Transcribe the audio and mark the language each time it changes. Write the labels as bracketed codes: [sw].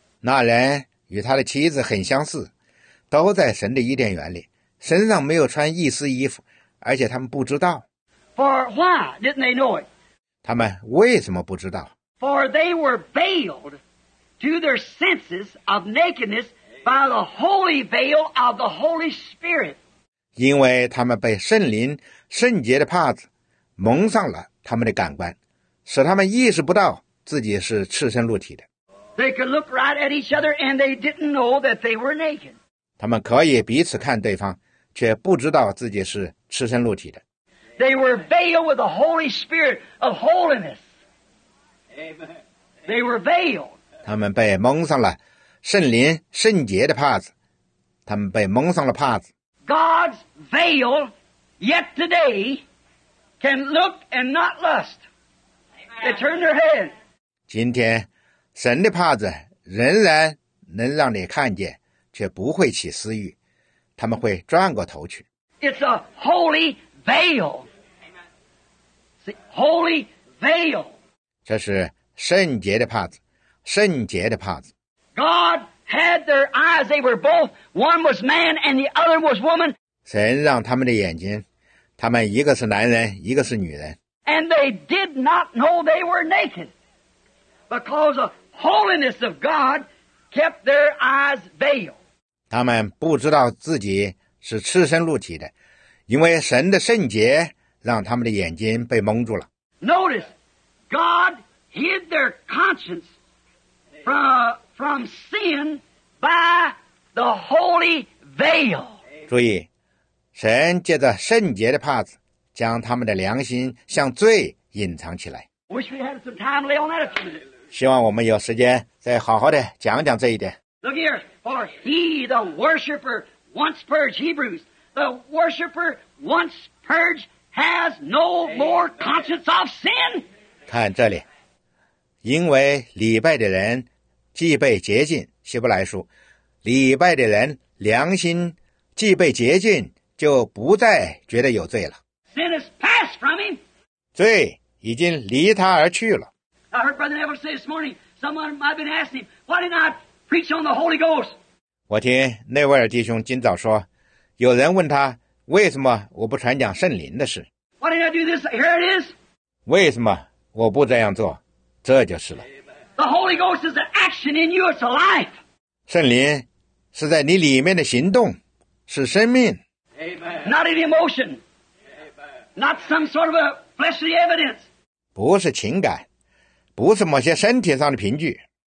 [zh] 那人与他的妻子很相似，都在神的伊甸园里，身上没有穿一丝衣服，而且他们不知道。 [en] For why didn't they know it? [zh] 他们为什么不知道？ [en] For they were veiled to their senses of nakedness. By the holy veil of the Holy Spirit. [zh] 因为他们被圣灵圣洁的帕子蒙上了他们的感官，使他们意识不到自己是赤身露体的。 [en] They could look right at each other and they didn't know that they were naked. [zh] 他们可以彼此看对方，却不知道自己是赤身露体的。 [en] They were veiled with the Holy Spirit of holiness. Amen. They were veiled. [zh] 他们被蒙上了圣灵圣洁的帕子，他们被蒙上了帕子。 [en] God's veil yet today can look and not lust. They turn their head. [zh] 今天神的帕子仍然能让你看见，却不会起私欲，他们会转过头去。 [en] It's a holy veil. See, holy veil. [zh] 这是圣洁的帕子，圣洁的帕子。 [en] God had their eyes, they were both, one was man and the other was woman. [zh] 神让他们的眼睛，他们一个是男人，一个是女人。 [en] And they did not know they were naked, because the holiness of God kept their eyes veiled. [zh] 他们不知道自己是赤身露体的，因为神的圣洁让他们的眼睛被蒙住了。 [en] Notice, God hid their conscience from sin by the holy veil. [zh] 注意，神借着圣洁的帕子将他们的良心向罪隐藏起来。 [en] Wish we had some time to lay on that a few minutes. [zh] 希望我们有时间再好好的讲讲这一点。 [en] Look here, for he, the worshipper, once purged, Hebrews, the worshipper once purged has no more conscience of sin. [zh] 看这里，因为礼拜的人既被洁净，希伯来书，礼拜的人良心既被洁净，就不再觉得有罪了。 [en] Sin has passed from him. [zh] 罪已经离他而去了。 [en] I heard Brother Neville say this morning, someone might have been asking him, why did not preach on the Holy Ghost? [zh] 我听内维尔弟兄今早说，有人问他，为什么我不传讲圣灵的事？ [en] Why did I do this? Here it is. [zh] 为什么我不这样做？这就是了。 [en] The Holy Ghost is an action in you, it's a life. [zh] 圣灵是在你里面的行动，是生命。 [en] Amen. Not an emotion. Amen. Not some sort of a fleshly evidence. [zh] 不是情感，不是某些身体上的凭据。